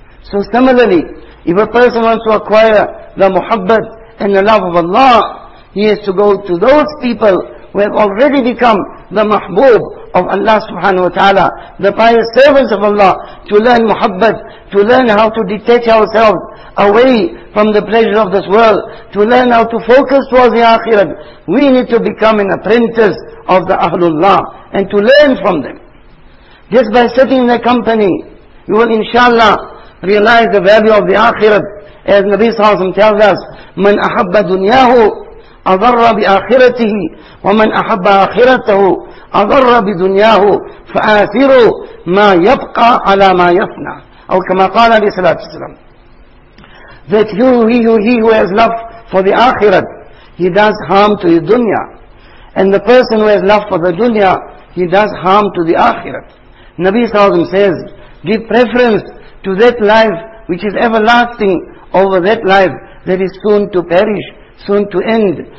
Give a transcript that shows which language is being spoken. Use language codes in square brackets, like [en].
[en] So similarly, if a person wants to acquire the muhabbat and the love of Allah, he has to go to those people who have already become the mahbub of Allah subhanahu wa ta'ala, the pious servants of Allah, to learn muhabbat, to learn how to detach ourselves away from the pleasure of this world, to learn how to focus towards the akhirat. We need to become an apprentice of the Ahlullah and to learn from them. Just by sitting in their company, you will inshallah realize the value of the akhirat. As Nabi sallallahu alayhi wa sallam tells us, [ar] man ahabba dunyahu أضر بآخرته ومن أحب آخرته أضر بدنياه فآثروا ما يبقى على ما يفنى. أو كما قال عليه الصلاة والسلام, [en] that he who has love for the akhirat, he does harm to his dunya, and the person who has love for the dunya, he does harm to the akhirat. Nabi Sallallahu Alaihi Wasallam says, give preference to that life which is everlasting over that life that is soon to perish, soon to end.